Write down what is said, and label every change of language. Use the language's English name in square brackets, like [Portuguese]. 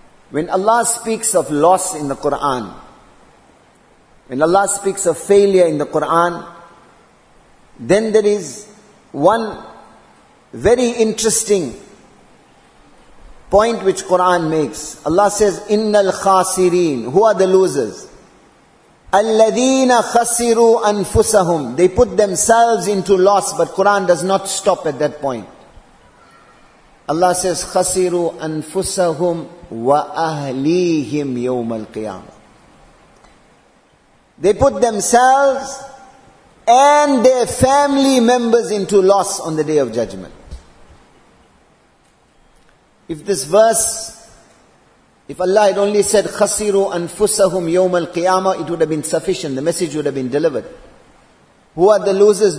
[English] When Allah speaks of loss in the Quran, when Allah speaks of failure in the Quran, then there is one very interesting point which Quran makes. Allah says, [Arabic] إِنَّ الْخَاسِرِينَ. [English] Who are the losers? [Arabic] الَّذِينَ خَسِرُوا أَنفُسَهُمْ. [English] They put themselves into loss, but Quran does not stop at that point. [Arabic] Allah says, خَسِرُوا أَنفُسَهُمْ وَأَهْلِيهِمْ يَوْمَ الْقِيَامَةِ. [English] They put themselves and their family members into loss on the day of judgment. If this verse, if Allah had only said, [Arabic] خَسِرُوا أَنفُسَهُمْ يَوْمَ الْقِيَامَةِ, [English] it would have been sufficient, the message would have been delivered. Who are the losers?